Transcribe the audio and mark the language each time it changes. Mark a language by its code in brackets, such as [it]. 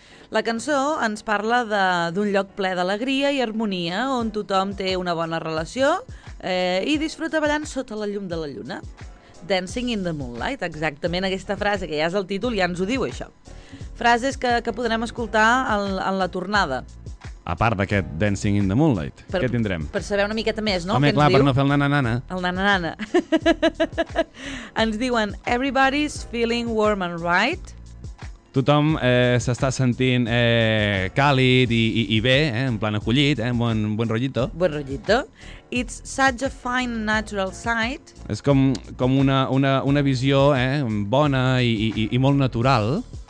[ca] La cançó ens parla d'un lloc ple d'alegria i harmonia, on tothom té una bona relació i disfruta ballant sota la llum de la lluna. Dancing in the Moonlight, exactament aquesta frase, que ja és el títol, ja ens ho diu això. Frases que podrem escoltar en la tornada. A part d'aquest Dancing in the Moonlight, per, què tindrem? Per saber una miqueta més, no? Home, clar, per no fer el nananana. El nananana. Ens diuen, [en] everybody's feeling warm and right. [ca] Tothom s'està sentint càlid i bé, en plan acollit, bon rotllito. Bon rotllito. [en] It's such a fine natural sight. [ca] És com una visió bona i molt natural.